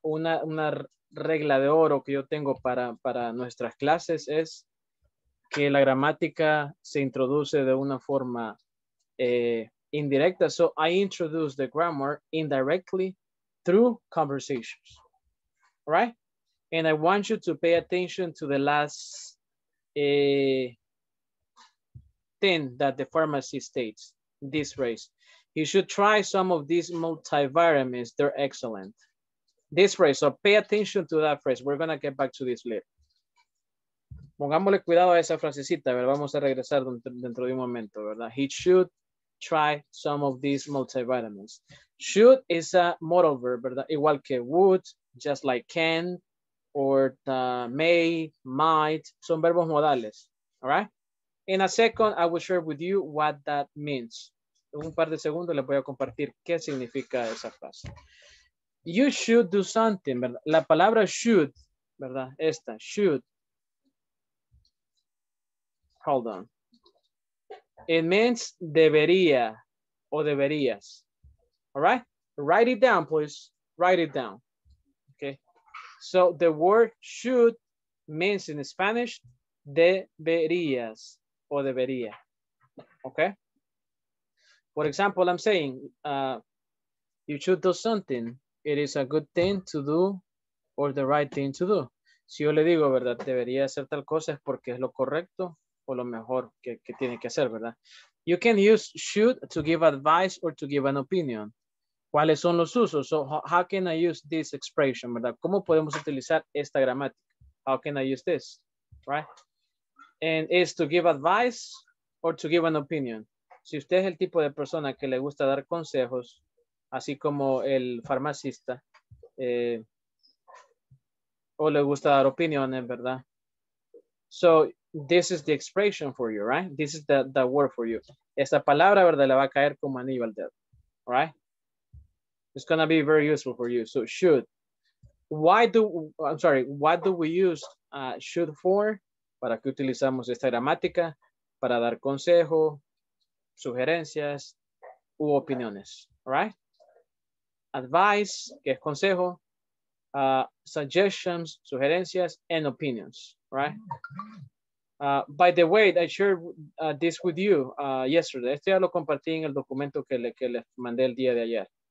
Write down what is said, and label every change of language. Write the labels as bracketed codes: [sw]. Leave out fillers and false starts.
[es] Una regla de oro que yo tengo para nuestras clases es que la gramática se introduce de una forma indirecta. [en] So I introduce the grammar indirectly through conversations, right? And I want you to pay attention to the last thing that the pharmacist states, this phrase. You should try some of these multivitamins, they're excellent. This phrase, so pay attention to that phrase. We're gonna get back to this later. [es] Pongámosle cuidado a esa frasecita, ¿verdad? Vamos a regresar dentro de un momento, ¿verdad? [en] He should try some of these multivitamins. Should is a modal verb, ¿verdad? [es] Igual que [en] would, just like can, or may, might, [es] son verbos modales, [en] all right? In a second, I will share with you what that means. [es] En un par de segundos les voy a compartir qué significa esa frase. [en] You should do something, ¿verdad? [es] La palabra [en] should, ¿verdad? Esta, should. Hold on. It means [es] debería o deberías. [en] All right? Write it down, please. Write it down. Okay? So the word should means in Spanish [es] deberías o debería. [en] Okay? For example, I'm saying you should do something. It is a good thing to do or the right thing to do. [es] Si yo le digo, ¿verdad? Debería hacer tal cosa es porque es lo correcto o lo mejor que tiene que hacer, ¿verdad? [en] You can use should to give advice or to give an opinion. [es] ¿Cuáles son los usos? [en] So how can I use this expression, ¿verdad? [es] ¿Cómo podemos utilizar esta gramática? [en] How can I use this, right? And it's to give advice or to give an opinion. [es] Si usted es el tipo de persona que le gusta dar consejos, así como el farmacista, o le gusta dar opiniones, ¿verdad? [en] So, this is the expression for you, right? This is the word for you. [es] Esta palabra, [en] ¿verdad? [es] Le va a caer como anillo al dedo, [en] right? It's going to be very useful for you. So, should. What do we use should for? [es] ¿Para qué utilizamos esta gramática? Para dar consejo, sugerencias u opiniones, right? [en] Advice, [es] que es consejo, [en] suggestions, [es] sugerencias, [en] and opinions, right? By the way, I shared this with you yesterday. [es] Esto ya lo compartí en el documento que le mandé el día de ayer.